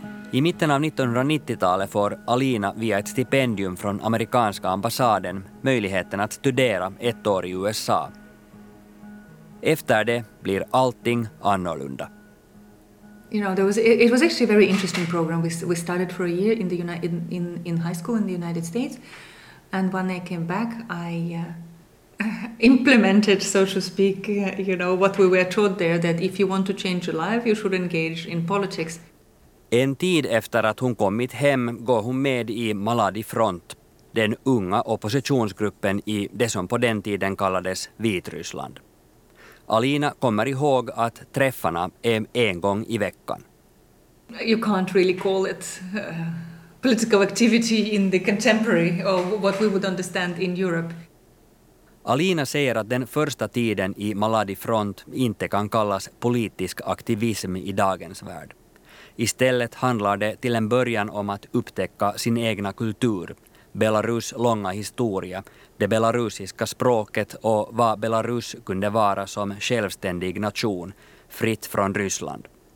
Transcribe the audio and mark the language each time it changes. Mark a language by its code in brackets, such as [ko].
[sv] I I mitten av 1990-talet får Alina via ett stipendium från amerikanska ambassaden möjligheten att studera ett år i USA. Efter det blir allting annorlunda. [en] You know, there was it was actually a very interesting program. We started for a year in the in high school in the United States, and when I came back, I implemented, so to speak, you know, what we were taught there, that if you want to change your life, you should engage in politics. [sv] En tid efter att hon kommit hem går hon med i Maladi Front, den unga oppositionsgruppen i det som på den tiden kallades Vitryssland. Alina kommer ihåg att träffarna är en gång i veckan. [en] You can't really call it political activity in the contemporary of what we would understand in Europe. [sv] Alina säger att den första tiden i Maladi Front inte kan kallas politisk aktivism i dagens värld. Istället handlar det till en början om att upptäcka sin egna kultur, Belarus långa historia, det belarusiska språket och vad Belarus kunde vara som självständig nation, fritt från Ryssland.